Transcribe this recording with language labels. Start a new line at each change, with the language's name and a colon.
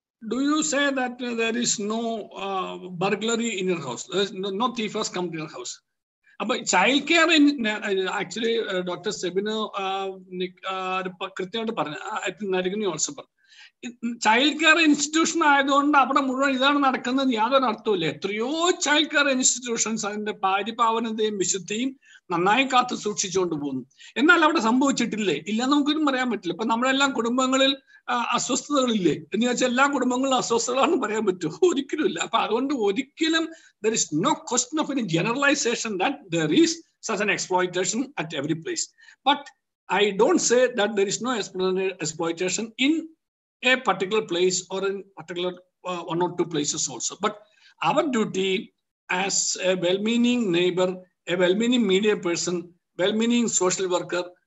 English: Do you say that there is no burglary in your house, there is no thief has come to your house? But child care in actually Dr. Sabino kritiyadu parna athu nariguni also parna
Malayalam: child care institution ആയതുകൊണ്ട് അവിടെ മുഴുവൻ ഇതാണ് നടക്കുന്നത് യാതൊരു അർത്ഥമില്ല. എത്രയോ child care institutions അതിന്റെ പാരിപാവനതയും വിശുദ്ധിയും നന്നായി കാത്തു സൂക്ഷിച്ചുകൊണ്ട് പോകുന്നു, എന്നാൽ അവിടെ സംഭവിച്ചിട്ടില്ലേ? ഇല്ല നമുക്കൊന്നും പറയാൻ പറ്റില്ല. ഇപ്പൊ നമ്മളെല്ലാം കുടുംബങ്ങളിൽ അസ്വസ്ഥതകളില്ലേ എന്ന് ചോദിച്ചാൽ എല്ലാ കുടുംബങ്ങളും അസ്വസ്ഥതകളാണെന്ന് പറയാൻ പറ്റുമോ? ഒരിക്കലും ഇല്ല. അപ്പൊ അതുകൊണ്ട് ഒരിക്കലും
English: There is no question of any generalisation that there is such an exploitation at every place. But I don't say that there is no exploitation in a particular place or in particular one or two places also. But our duty as a well-meaning neighbor, a well-meaning media person, well-meaning social worker,